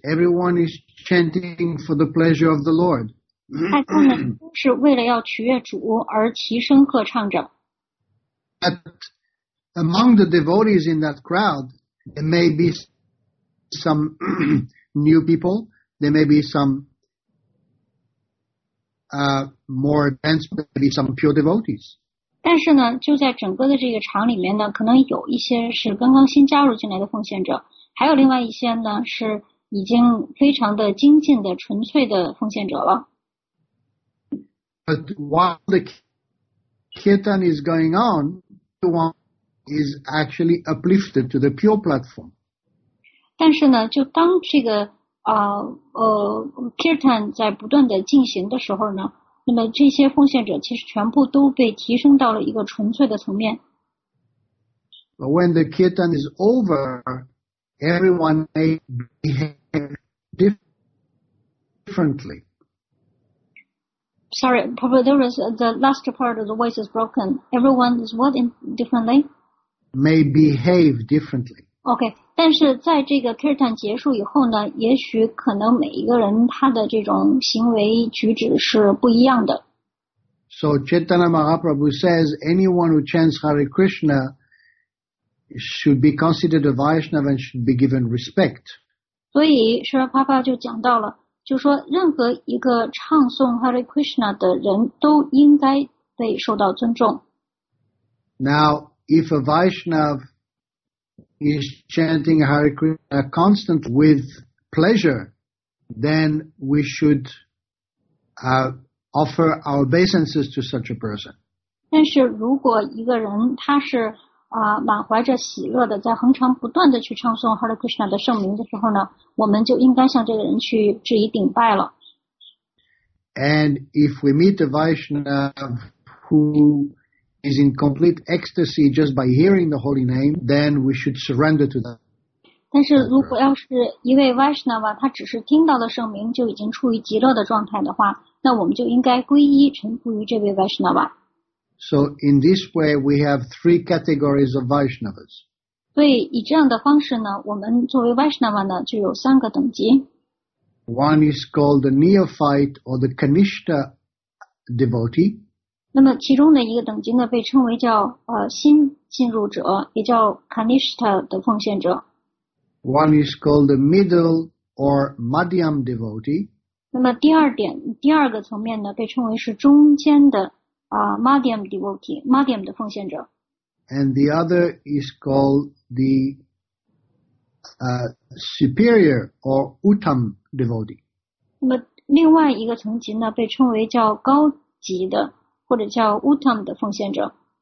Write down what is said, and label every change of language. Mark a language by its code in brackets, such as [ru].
[en] Everyone is chanting for the pleasure of the Lord. [zh] 大家呢都是为了要取悦主而齐声合唱着。 [en] But among the devotees in that crowd, there may be some new people. There may be some more advanced, maybe some pure devotees. [zh] 但是呢，就在整个的这个场里面呢，可能有一些是刚刚新加入进来的奉献者，还有另外一些呢是已经非常的精进的纯粹的奉献者了。 [en] But while the kirtan is going on, one is actually uplifted to the pure platform. [zh] 但是呢，就当这个kirtan 在不断的进行的时候呢，那么这些奉献者其实全部都被提升到了一个纯粹的层面。 [en] But when the kirtan is over, everyone may behave differently. Sorry, Prabhu, there is the last part of the voice is broken. Everyone is what in differently? May behave differently. [zh] Okay, 但是在这个 kirtan 结束以后呢，也许可能每一个人他的这种行为举止是不一样的。 [en] So Chaitanya Mahaprabhu says anyone who chants Hare Krishna should be considered a Vaishnava and should be given respect. [zh] 所以释迦牟尼佛就讲到了，就说任何一个唱诵 Hare Krishna 的人都应该被受到尊重。 [en] Now, if a Vaishnava is chanting Hare Krishna constantly with pleasure, then we should offer our obeisances to such a person. [zh] 但是如果一个人他是满怀着喜乐的在恒常不断的去唱诵 Hare Krishna 的圣名的时候呢，我们就应该向这个人去致以顶拜了。 [en] And if we meet a Vaishnava who is in complete ecstasy just by hearing the holy name, then we should surrender to that. [zh] 但是如果要是一位 Vaishnava 他只是听到了圣名就已经处于极乐的状态的话，那我们就应该皈依臣服于这位 Vaishnava。 [en] So in this way, we have three categories of Vaishnavas. [zh] 所以以这样的方式呢，我们作为 Vaishnava 呢就有三个等级。 [en] One is called the neophyte or the Kanishtha devotee. [zh] 那么其中的一个等级呢，被称为叫新进入者，也叫 Kanishtha 的奉献者。 [en] One is called the middle or Madhyam devotee. [zh] 那么第二点，第二个层面呢，被称为是中间的。 Madhyam devotee, Madhyam 的奉献者。 [en] And the other is called the superior or Uttam devotee. [zh] 那么另外一个层级呢，被称为叫高级的，或者叫 Uttam 的奉献者。